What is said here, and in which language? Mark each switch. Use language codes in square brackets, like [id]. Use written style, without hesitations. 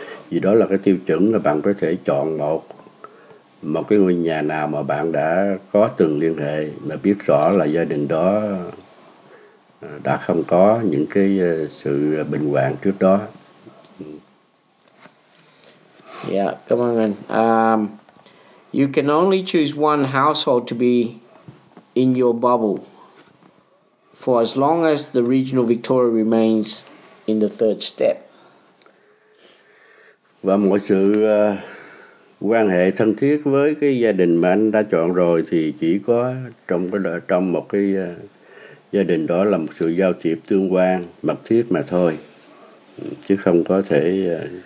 [vi] Vì đó là cái tiêu chuẩn là bạn có thể chọn một cái ngôi nhà nào mà bạn đã có từng liên hệ, mà biết rõ là gia đình đó đã không có những cái sự bệnh hoạn trước đó. Dạ, cảm ơn anh. [en] You can only choose one household to be in your bubble for as long as the regional Victoria remains in the third step. [vi] Và mọi sự quan hệ thân thiết với cái gia đình mà anh đã chọn rồi thì chỉ có trong một cái gia đình đó là một sự giao tiếp tương quan mật thiết mà thôi, chứ không có thể